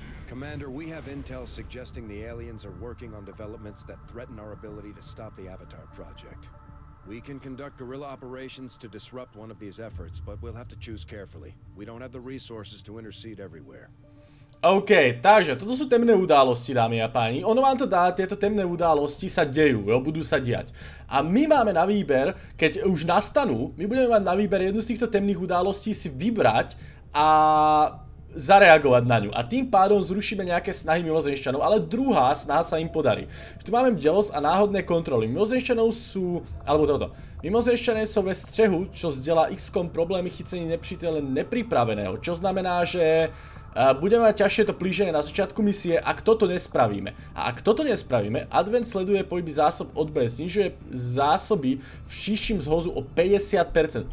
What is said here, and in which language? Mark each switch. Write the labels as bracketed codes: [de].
[en] Commander, we have intel suggesting the aliens are working on developments that threaten our ability to stop the Avatar project. We can conduct guerrilla operations to disrupt one of these efforts, but we'll have to choose carefully. We don't have the resources to intercede everywhere. [sk] OK, takže toto sú temné udalosti, dámy a páni. Ono vám to dá, tieto temné udalosti sa dejú, jo, budú sa diať. A my máme na výber, keď už nastanú, my budeme mať na výber jednu z týchto temných udalostí si vybrať a zareagovať na ňu. A tým pádom zrušíme nejaké snahy mimozemšťanov, ale druhá snaha sa im podarí. Tu máme bdelosť a náhodné kontroly. Mimozemšťanov sú, alebo toto. Mimozemšťané sú ve strehu, čo zdieľa XCOM problémy [cs] chycení nepřítele [sk] nepripraveného, čo znamená, že budeme mať ťažšie to plíženie na začiatku misie, ak toto nespravíme. A ak toto nespravíme, Advent sleduje pohyby zásob odboje, znižuje zásoby v šišším zhozu o 50%.